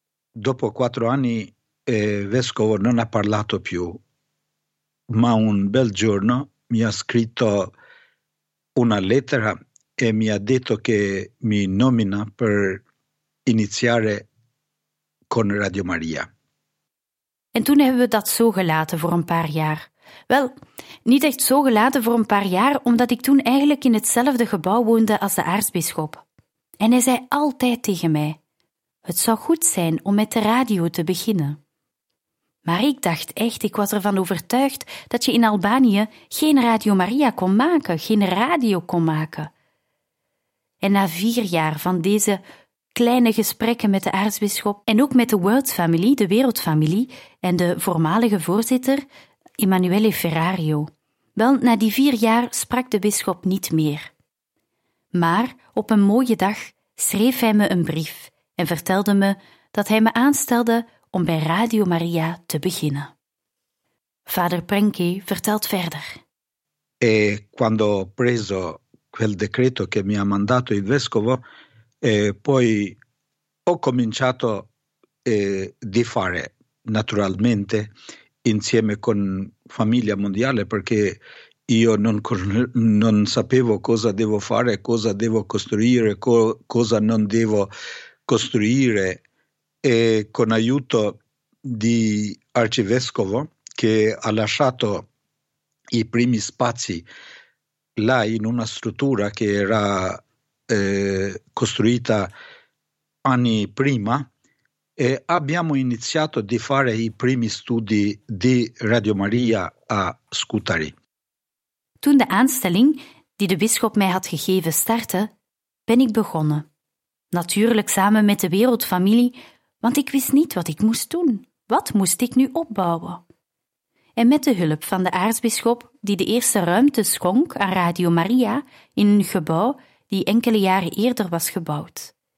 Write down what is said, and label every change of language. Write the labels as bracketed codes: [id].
[it] dopo 4 anni vescovo non ha parlato più, ma un bel giorno mi ha scritto una lettera e mi ha detto che mi nomina per iniziare con Radio Maria. [nl] En toen hebben we dat zo gelaten voor een paar jaar. Wel, niet echt zo gelaten voor een paar jaar, omdat ik toen eigenlijk in hetzelfde gebouw woonde als de aartsbisschop. En hij zei altijd tegen mij, het zou goed zijn om met de radio te beginnen. Maar ik dacht echt, ik was ervan overtuigd dat je in Albanië geen Radio Maria kon maken, geen radio kon maken. En na 4 jaar van deze kleine gesprekken met de aartsbisschop en ook met de World Family, de wereldfamilie en de voormalige voorzitter, Emanuele Ferrario. Wel, na die 4 jaar sprak de bisschop niet meer. Maar op een mooie dag schreef hij me een brief en vertelde me dat hij me aanstelde om bij Radio Maria te beginnen. Vader Prankey vertelt verder. [it] E quando ho preso quel decreto che mi ha mandato il vescovo, poi ho cominciato di fare naturalmente insieme con Famiglia Mondiale, perché io non sapevo cosa devo fare, cosa devo costruire, cosa non devo costruire. E con aiuto di arcivescovo che ha lasciato i primi spazi là in una struttura che era costruita anni prima, e abbiamo iniziato di fare i primi studi di Radio Maria a Scutari. [nl] Toen de aanstelling die de bisschop mij had gegeven startte, ben ik begonnen. Natuurlijk samen met de wereldfamilie, want ik wist niet wat ik moest doen. Wat moest ik nu opbouwen? En met de hulp van de aartsbisschop, die de eerste ruimte schonk aan Radio Maria in een gebouw die enkele jaren eerder was gebouwd.